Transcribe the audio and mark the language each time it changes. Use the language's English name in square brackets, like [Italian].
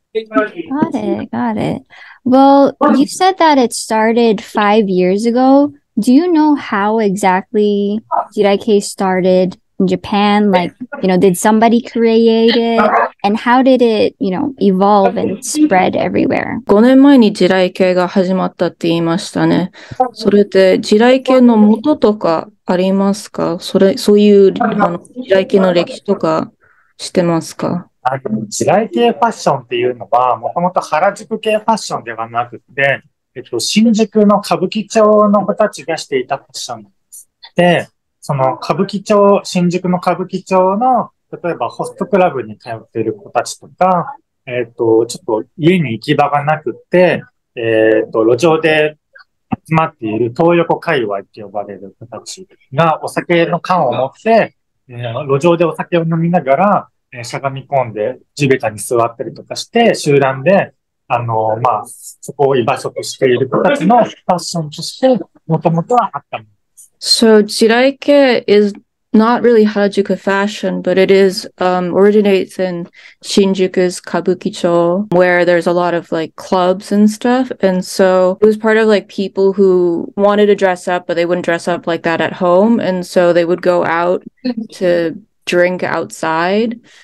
[English] Got it. Well, you said that it started 5 years ago. Do you know how exactly Jirai Kei started? In Japan, like, you know, did somebody create it? And how did it, you know, evolve and spread everywhere? [Japanese] 5年前に地雷系が始まったって言いましたね。それで地雷系の元とかありますか？そういう地雷系の歴史とかしてますか？地雷系ファッションっていうのは、もともと原宿系ファッションではなくて、新宿の歌舞伎町の子たちがしていたファッションなんです。で、その歌舞伎町、新宿の歌舞伎町の、例えばホストクラブに通っている子たちとか、ちょっと家に行き場がなくって、路上で集まっているトー横界隈って呼ばれる子たちがお酒の缶を持って、路上でお酒を飲みながら、しゃがみ込んで地べたに座ったりとかして、集団で、そこを居場所としている子たちのファッションとして、もともとはあったもの。 [English] So, Jirai Kei is not really Harajuku fashion, but it is originates in Shinjuku's Kabukicho, where there's a lot of like clubs and stuff. And so it was part of like people who wanted to dress up, but they wouldn't dress up like that at home. And so they would go out to drink outside.